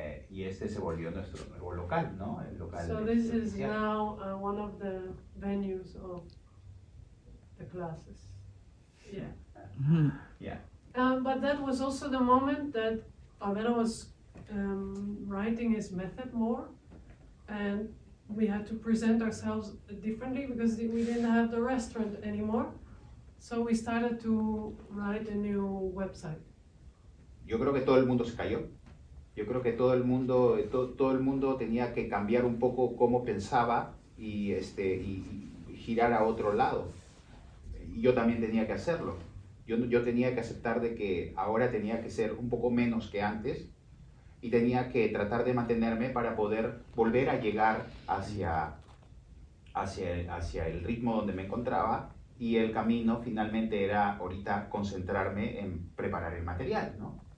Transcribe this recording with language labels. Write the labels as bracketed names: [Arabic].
[Spanish] Y este se volvió nuestro nuevo local, ¿no? El local. [English] So this is now one of the venues of the classes. Yeah. Yeah. But that was also the moment that Abel was writing his method more, and we had to present ourselves differently because we didn't have the restaurant anymore. So we started to write a new website. [Spanish] Yo creo que todo el mundo se cayó. Yo creo que todo el mundo tenía que cambiar un poco cómo pensaba y girar a otro lado. Y yo también tenía que hacerlo. Yo tenía que aceptar de que ahora tenía que ser un poco menos que antes y tenía que tratar de mantenerme para poder volver a llegar hacia el ritmo donde me encontraba y el camino finalmente era ahorita concentrarme en preparar el material, ¿no?